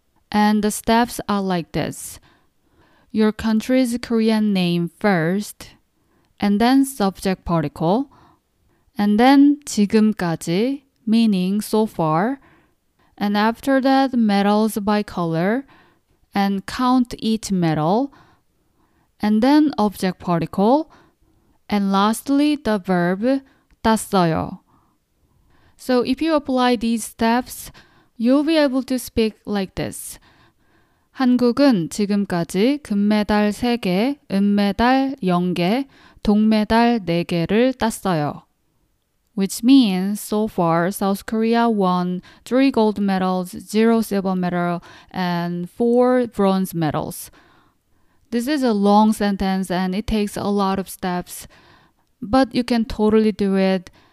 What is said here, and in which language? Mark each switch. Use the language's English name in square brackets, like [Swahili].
[English] And the steps are like this. Your country's Korean name first, and then subject particle, and then 지금까지, meaning so far, and after that medals by color, and count each medal, and then object particle, and lastly the verb 땄어요. So if you apply these steps, you'll be able to speak like this. [Korean] 한국은 지금까지 금메달 3개, 은메달 0개, 동메달 4개를 땄어요. [English] Which means, so far, South Korea won 3 gold medals, 0 silver medal, and 4 bronze medals. This is a long sentence and it takes a lot of steps, but you can totally do it.